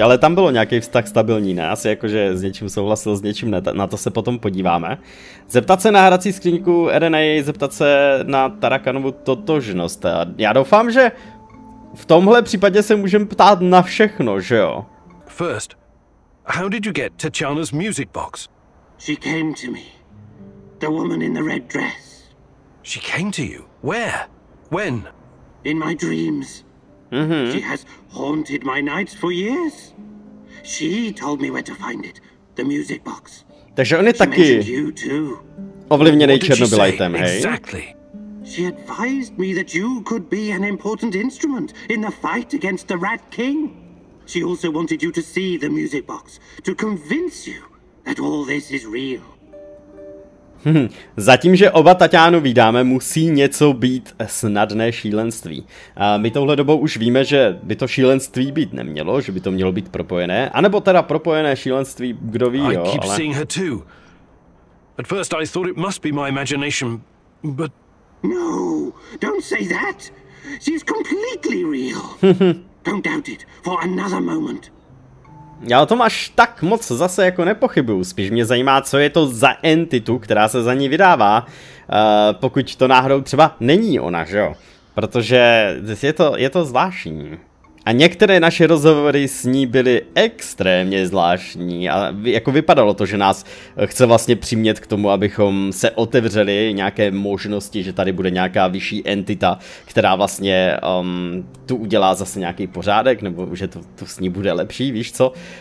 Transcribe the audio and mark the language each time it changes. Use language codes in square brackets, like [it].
[cs] Ale tam bylo nějaký vztah stabilní, ne? Asi jakože s něčím souhlasil, s něčím ne. Na to se potom podíváme. Zeptat se na hrací skříňku RNA, zeptat se na Tarakanovu totožnost. Já doufám, že v tomhle případě se můžeme ptát na všechno, že jo? [en] First, how did you get T'Challa's music box? She came to me. The woman in the red dress. She came to you? Where? When? In my dreams. Mm-hmm. She has haunted my nights for years. She told me where to find it. The music box. [cs] Takže on je taky ovlivněnej černobylajtem, hej? [en] Exactly. She advised me that you could be an important instrument in the fight against the Rat King. She also wanted you to see the music box to convince you that all this is real. [cs] Zatím, že oba Taťánu vídáme, musí něco být snadné šílenství. A my touhle dobou už víme, že by to šílenství být nemělo, že by to mělo být propojené, anebo teda propojené šílenství, kdo ví, jo, ale... [en] I keep seeing her too. At first I thought it must be my imagination, but... No, don't say that. She's completely real. Don't doubt it for another moment. [cs] Já o tom až tak moc zase jako nepochybuju, spíš mě zajímá, co je to za entitu, která se za ní vydává, pokud to náhodou třeba není ona, že jo? Protože je to zvláštní. A některé naše rozhovory s ní byly extrémně zvláštní a jako vypadalo to, že nás chce vlastně přimět k tomu, abychom se otevřeli nějaké možnosti, že tady bude nějaká vyšší entita, která vlastně tu udělá zase nějaký pořádek, nebo že to s ní bude lepší, víš co?